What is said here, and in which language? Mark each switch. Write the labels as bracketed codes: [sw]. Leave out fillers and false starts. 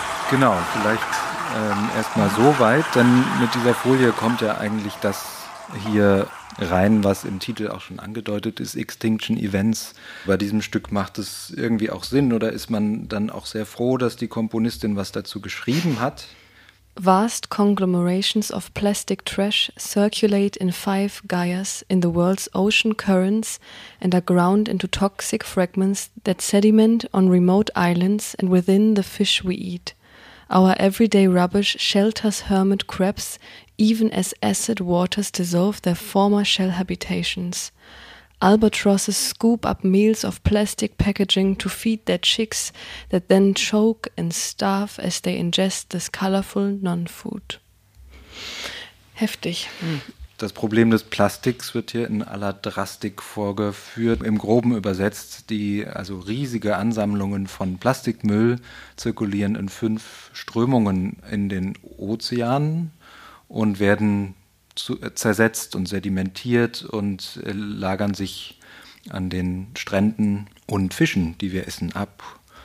[de] Genau, vielleicht erstmal so weit, denn mit dieser Folie kommt ja eigentlich das hier rein, was im Titel auch schon angedeutet ist, Extinction Events. Bei diesem Stück macht es irgendwie auch Sinn oder ist man dann auch sehr froh, dass die Komponistin was dazu geschrieben hat? [en] Vast conglomerations of plastic trash circulate in five gyres in the world's ocean currents and are ground into toxic fragments that sediment on remote islands and within the fish we eat. Our everyday rubbish shelters hermit crabs, even as acid waters dissolve their former shell habitations. Albatrosses scoop up meals of plastic packaging to feed their chicks that then choke and starve as they ingest this colorful non-food. [de] Heftig. Das Problem des Plastiks wird hier in aller Drastik vorgeführt. Im Groben übersetzt, also riesige Ansammlungen von Plastikmüll zirkulieren in fünf Strömungen in den Ozeanen und werden zersetzt und sedimentiert und lagern sich an den Stränden und Fischen, die wir essen, ab.